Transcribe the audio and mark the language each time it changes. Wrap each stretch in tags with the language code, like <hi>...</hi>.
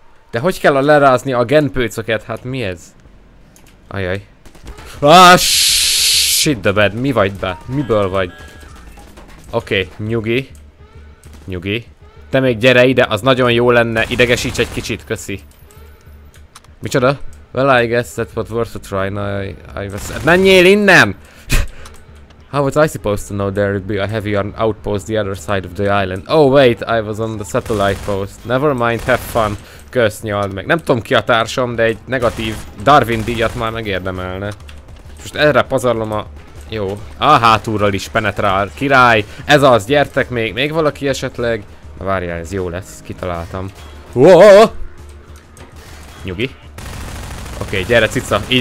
<hu>De hogy kell a lerázni a genpőcöket? Hát mi ez? Ajaj.</hu> <en>Shit the bed.</en> <hu>Mi vagy be? Miből vagy? Oké, nyugi. Nyugi. Te még gyere ide, az nagyon jó lenne. Idegesíts egy kicsit, köszi. Micsoda?</hu> <en>Well, I guess that's what worth a try. No, I was...</en> <hu>Menjél innen!</hu> <en>How was I supposed to know there would be a heavy outpost the other side of the island? Oh wait, I was on the satellite post. Never mind, have fun.</en> <hu>Kösz, nyald meg. Nem tudom ki a társam, de egy negatív Darwin díjat már megérdemelne. Most erre pazarlom a... Jó. A hátulról is penetrál. Király! Ez az, gyertek még! Még valaki esetleg? Na várjál, ez jó lesz. Kitaláltam. Whoa! Nyugi. Oké, okay, gyere cica.</hu>